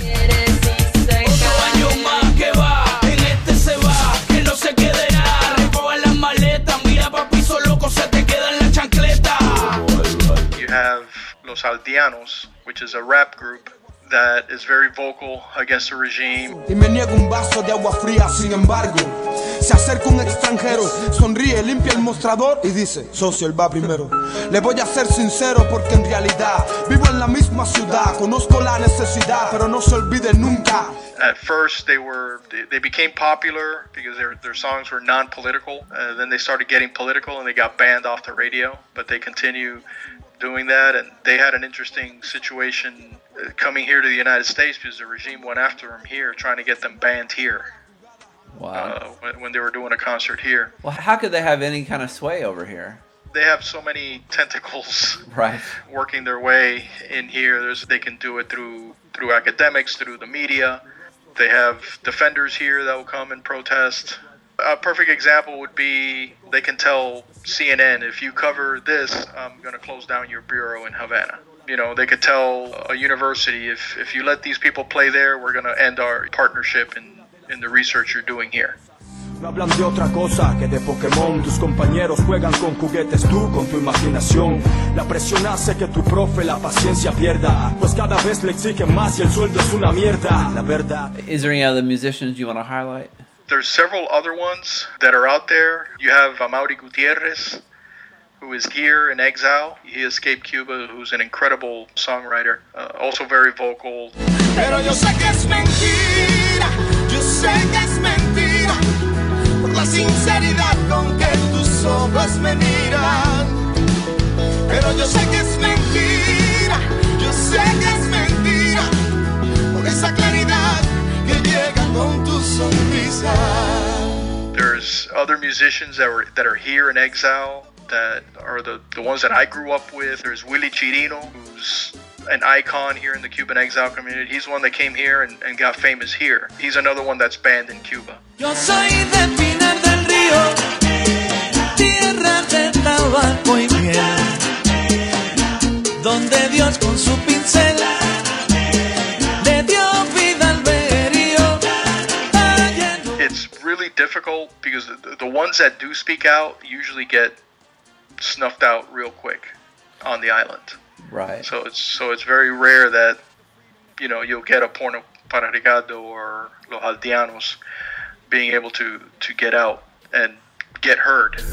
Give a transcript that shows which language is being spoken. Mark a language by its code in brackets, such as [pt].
[en] You have Los Aldeanos, which is a rap group that is very vocal against the regime. [es] Y me niego un vaso de agua fría, sin embargo, se acerca un extranjero, sonríe, limpia el mostrador y dice, socio, él va primero. Le voy a ser sincero porque en realidad vivo en la misma ciudad, conozco la necesidad, pero no se olvide nunca. [en] At first they became popular because their songs were non-political. Then they started getting political and they got banned off the radio, but they continue doing that. And they had an interesting situation coming here to the United States because the regime went after them here, trying to get them banned here. Wow. When they were doing a concert here. Well, how could they have any kind of sway over here? They have so many tentacles, right, working their way in here. They can do it through academics, through the media. They have defenders here that will come and protest. A perfect example would be they can tell CNN, if you cover this, I'm going to close down your bureau in Havana. You know, they could tell a university, if you let these people play there, we're going to end our partnership in the research you're doing here. [es] Hablan de otra cosa que de Pokémon. Tus compañeros juegan con juguetes, tú con tu imaginación. La presión hace que tu profe la paciencia pierda, pues cada vez le exigen más y el sueldo es una mierda, la verdad. [en] Is there any other musicians you want to highlight? There's several other ones that are out there. You have Amaury Gutierrez, who is here in exile. He escaped Cuba, who's an incredible songwriter, also very vocal. [es] Pero yo sé que es mentira, yo sé que es mentira. La sinceridad con que tus ojos me miran. Pero yo sé que es mentira, yo sé que es mentira. Por esa claridad que llega con tu sonrisa. [en] There's other musicians that are here in exile that are the ones that I grew up with. There's Willy Chirino, who's an icon here in the Cuban exile community. He's one that came here and got famous here. He's another one that's banned in Cuba. [es] Yo soy de Pinar del Río, tierra de tabaco y miel, donde Dios con su pincel le dio vida al berrío. [en] It's really difficult because the ones that do speak out usually get snuffed out real quick on the island. Right. So it's very rare that, you know, you'll get a Porno Para Ricardo or Los Aldeanos being able to get out and get heard.